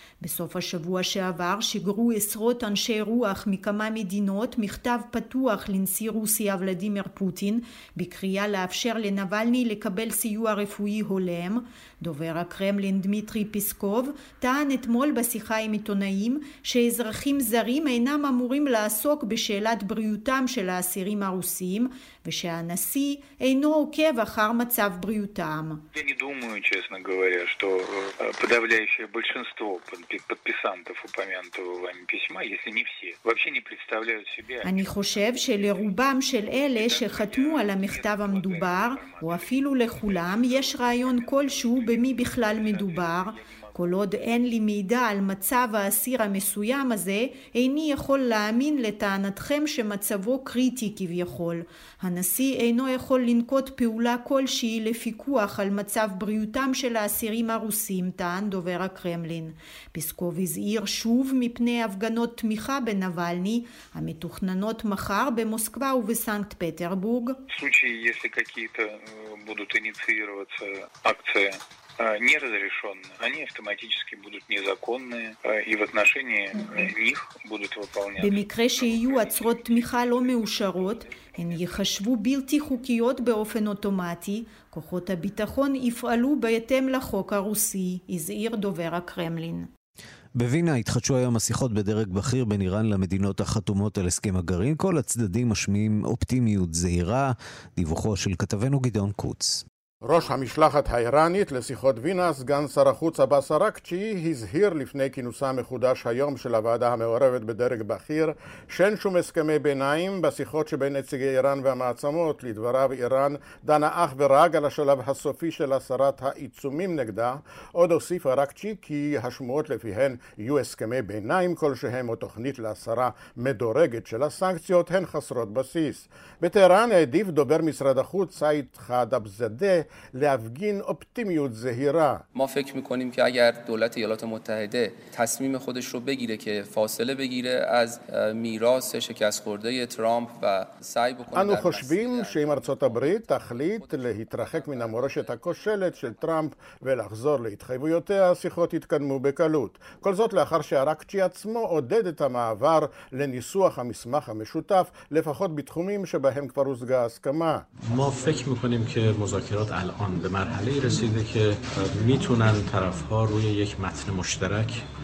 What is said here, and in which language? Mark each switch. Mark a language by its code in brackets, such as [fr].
[he] בסוף השבוע שעבר שיגרו 10 אנשי רוח מכמה מדינות מכתב פתוח לנשיא רוסיה ולדימיר פוטין בקריאה לאפשר לנבלני לקבל סיוע רפואי הולם. דובר הקרמלין דמיטרי פיסקוב טען אתמול בשיחה עם עיתונאים שאזרחים זרים אינם אמורים לעסוק בשאלת בריאותם של האסירים הרוסים ושהנשיא אינו עוקב אחר מצב בריאותם. אני [ru] думаю, честно говоря, что подавляющее большинство подписантов упомянутого вами письма, если не все, вообще не представляют себе. [he] אני חושב שלרובם של אלה שחתמו על המכתב המדובר, או אפילו לכולם, יש רעיון כלשהו במי בכלל מדובר. כל עוד אין לי מידע על מצב האסיר המסוים הזה, איני יכול להאמין לטענתכם שמצבו קריטי כביכול. הנשיא אינו יכול לנקוט פעולה כלשהי לפיקוח על מצב בריאותם של האסירים הרוסים, טען דובר הקרמלין. פיסקוב הזהיר שוב מפני הפגנות תמיכה בנבלני, המתוכננות מחר במוסקבה ובסנקט פטרבורג. [ru] случае, если какие-то будут инициироваться акции, не разрешённые, они автоматически будут незаконные, и в отношении них будут выполняться. [he] במקרה שיהיו עצרות תמיכה לא מאושרות, הן יחשבו בלתי חוקיות באופן אוטומטי. כוחות הביטחון יפעלו בהתאם לחוק הרוסי, הזהיר דובר הקרמלין. בווינה התחדשו היום השיחות בדרג בכיר בין איראן למדינות החתומות על הסכם הגרעין. כל הצדדים משמיעים אופטימיות זהירה. דיווחו של כתבנו גדעון קוץ. ראש המשלחת האיראנית לשיחות וינה, סגן שר החוץ אבאס ערקצ'י, הזהיר לפני כינוסה מחודש היום של הוועדה המעורבת בדרג בכיר שאין שום הסכמי ביניים בשיחות שבין נציגי איראן והמעצמות. לדבריו, איראן דנה אך ורק על השלב הסופי של הסרת העיצומים נגדה. עוד הוסיף ערקצ'י כי השמועות לפיהן יהיו הסכמי ביניים כלשהם או תוכנית להסרה מדורגת של הסנקציות הן חסרות בסיס. בטהרן העדיף דובר משרד החוץ סעיד חדבזדה להפגין אופטימיות זהירה. [fa] ما فکر میکنیم که اگر دولت ایالات متحده تصمیم خودش رو بگیره که فاصله بگیره از میراث شکست خورده ترامپ و سعی بکنه [he] אנו חושבים שאם ארצות הברית תחליט להתרחק מן המורשת הכושלת של טראמפ ולחזור להתחייבויותיה, השיחות יתקדמו בקלות. כל זאת לאחר שערקצ'י עצמו עודד את המעבר לניסוח המסמך המשותף לפחות בתחומים שבהם כבר הושגה הסכמה. [fa] ما فکر میکنیم که مذاکره الان به مرحله رسیده که میتونن طرف ها روی یک متن مشترک